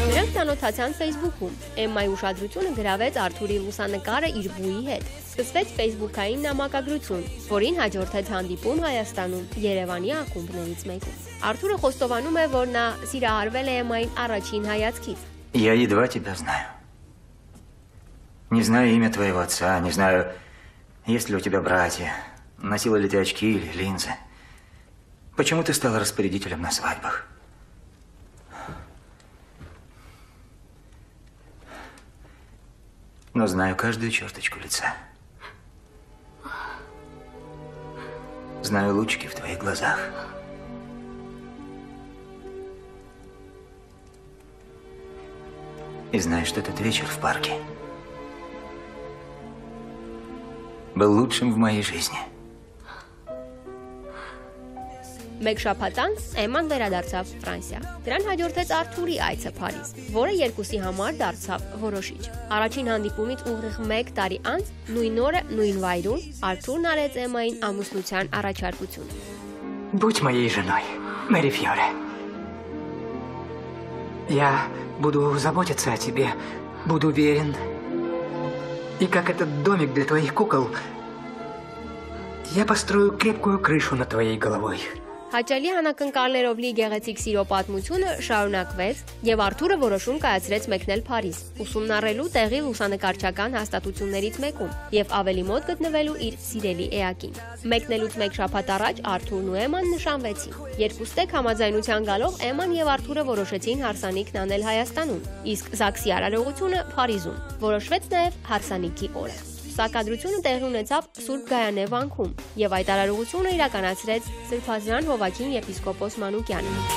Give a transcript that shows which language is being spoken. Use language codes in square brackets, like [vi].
[hy] Ցանոթացան Facebook-ում։ Էմմայի ուշադրությունը գրավեց Արթուրի լուսանկարը իր բույի հետ։ Սկսվեց Facebook-ային նամակագրություն, որին հաջորդեց հանդիպում Հայաստանում Երևանի ակումբներից մեկում։ Արթուրը խոստովանում է, որ նա սիրահարվել է Էմմային առաջին հայացքից։ [ru] Я едва тебя знаю. Не знаю имя твоего отца, не знаю, есть ли у тебя братья, носила ли ты очки или линзы. Почему ты стала распорядителем на свадьбах? Но знаю каждую черточку лица. Знаю лучики в твоих глазах. И знаю, что этот вечер в парке был лучшим в моей жизни. [hy] Մեկ շաբաթ անց Էմման վերադարձավ Ֆրանսիա։ Դրան հաջորդեց Արթուրի այցը Փարիզ, որը երկուսի համար դարձավ որոշիչ։ Առաջին հանդիպումից ուղիղ 1 տարի անց նույն օրը, նույն վայրում Արթուրն արեց Էմմային ամուսնության առաջարկություն։ [ru] Будь моей женой, Мэри Фьоре. Я буду заботиться о тебе, буду верен И как этот домик для твоих кукол, я построю крепкую крышу над твоей головой. [hy] Հաճալի հանակնկալներով լի գեղեցիկ սիրո պատմությունը շարունակվեց, և Արթուրը որոշում կայացրեց մեկնել Փարիզ, ուսումնառելու տեղի լուսանկարչական հաստատություններից մեկում և ավելի մոտ գտնվելու իր սիրելի էակին։ Մեկնելուց մեկ շաբաթ առաջ Արթուրն ու Էմման նշանվեցին։ Երկուստեք համաձայնության գալով Էմման և Արթուրը որոշեցին հարսանիքն անել Հայաստանում, իսկ Զաքսի արարողությունը Փարիզում։ Որոշվեց նաև հարսանիքի օրը։ Սակադրությունը տեղ ունեցավ Սուրբ Գայանե վանքում և այդ արարողությունը իրականացրեց Սրբազան Հովաքին եպիսկոպոս Մանուկյանը։